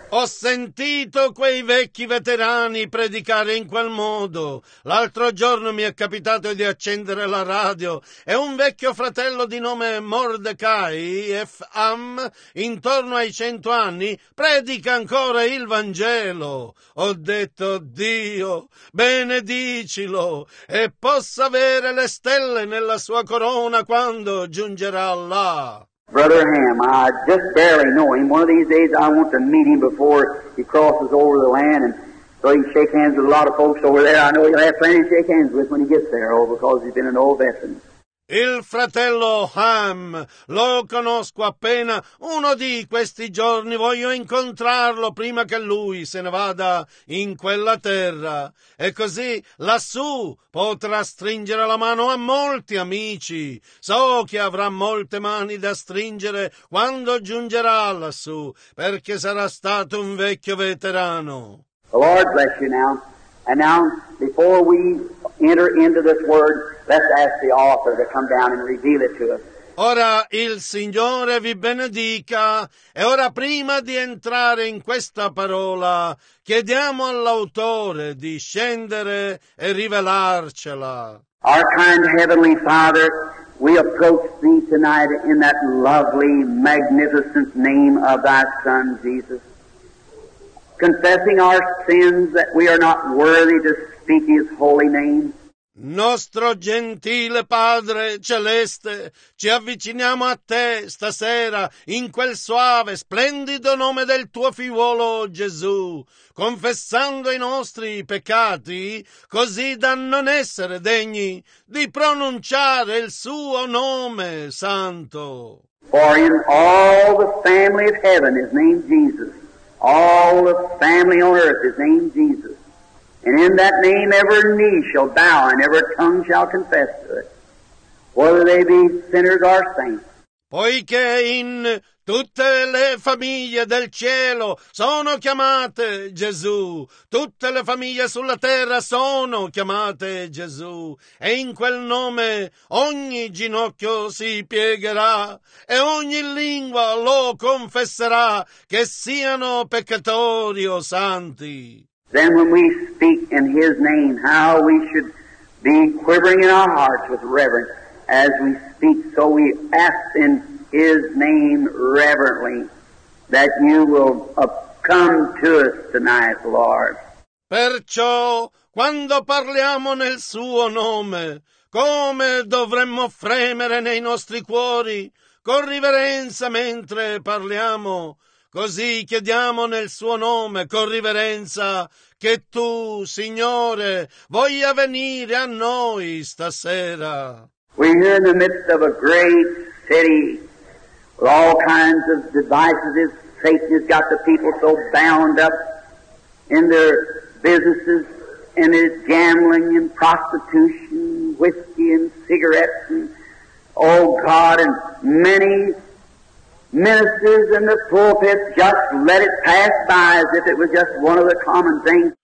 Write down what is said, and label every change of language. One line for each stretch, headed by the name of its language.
Italian: Ho sentito quei vecchi veterani predicare in quel modo. L'altro giorno mi è capitato di accendere la radio e un vecchio fratello di nome Mordecai F. Ham, intorno ai 100 anni, predica ancora il Vangelo. Ho detto, Dio, benedicilo e possa avere le stelle nella sua corona quando giungerà là.
English: Brother Ham, I just barely know him. One of these days I want to meet him before he crosses over the land, and so he can shake hands with a lot of folks over there. I know he'll have plenty to shake hands with when he gets there, oh, because he's been an old veteran.
Italian: Il fratello Ham, lo conosco appena, uno di questi giorni voglio incontrarlo prima che lui se ne vada in quella terra, e così lassù potrà stringere la mano a molti amici. So che avrà molte mani da stringere quando giungerà lassù, perché sarà stato un vecchio veterano.
English: The Lord bless you now, and now before we enter into this word, let's ask the author to come down and reveal it to us.
Italian: Ora il Signore vi benedica, e ora prima di entrare in questa parola, chiediamo all'autore di scendere e rivelarcela.
English: Our kind Heavenly Father, we approach Thee tonight in that lovely, magnificent name of Thy Son, Jesus. Confessing our sins that we are not worthy to speak His holy name.
Italian: Nostro gentile Padre Celeste, ci avviciniamo a Te stasera in quel soave, splendido nome del Tuo figliuolo Gesù, confessando i nostri peccati, così da non essere degni di pronunciare il Suo nome santo.
English: For in all the family of heaven is named Jesus, all the family on earth is named Jesus. And in that name every knee shall bow and every tongue shall confess to it, whether they be sinners or saints.
Italian: Poiché in tutte le famiglie del cielo sono chiamate Gesù, tutte le famiglie sulla terra sono chiamate Gesù, e in quel nome ogni ginocchio si piegherà e ogni lingua lo confesserà che siano peccatori o santi.
English: Then when we speak in His name, how we should be quivering in our hearts with reverence as we speak. So we ask in His name reverently that You will come to us tonight, Lord.
Italian: Perciò, quando parliamo nel Suo nome, come dovremmo fremere nei nostri cuori con riverenza mentre parliamo? Così chiediamo nel Suo nome, con riverenza, che Tu, Signore, voglia venire a noi stasera.
English: We're here in the midst of a great city with all kinds of devices. Satan has got the people so bound up in their businesses, in his gambling and prostitution, whiskey and cigarettes, and oh God, and many ministers in the pulpit just let it pass by as if it was just one of the common things.